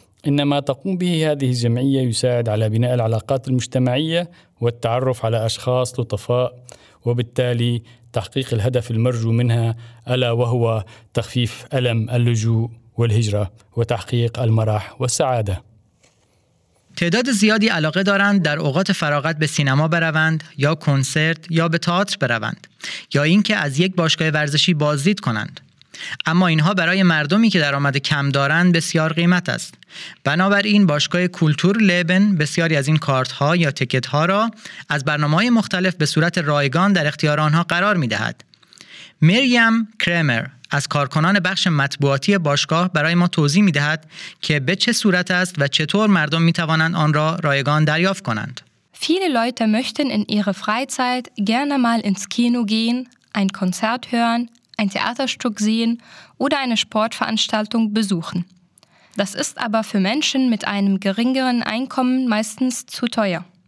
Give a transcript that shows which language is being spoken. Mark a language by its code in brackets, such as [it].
[ar] إنما تقوم به هذه الجمعية يساعد على بناء العلاقات المجتمعية والتعرف على أشخاص لطفاء، وبالتالي تحقيق الهدف المرجو منها ألا وهو تخفيف ألم اللجوء والهجرة وتحقيق المرح والسعادة. [fa] تعداد زیادی علاقه دارند در اوقات فراغت به سینما بروند یا کنسرت یا به تئاتر بروند یا اینکه از یک باشگاه ورزشی بازدید کنند. اما اینها برای مردمی که درآمد کم دارند بسیار قیمت است. بنابراین باشگاه کلتور لبن بسیاری از این کارت‌ها یا تکت‌ها را از برنامه‌های مختلف به صورت رایگان در اختیار آنها قرار می‌دهد. مریم کرمر از کارکنان بخش مطبوعاتی باشگاه برای ما توضیح می‌دهد که به چه صورت است و چطور مردم می‌توانند آن را رایگان دریافت کنند. [de] Viele Leute möchten in ihrer Freizeit gerne mal ins Kino gehen, ein Konzert hören, ein Theaterstück sehen oder eine Sportveranstaltung besuchen. Das ist aber für Menschen mit einem geringeren Einkommen meistens zu teuer.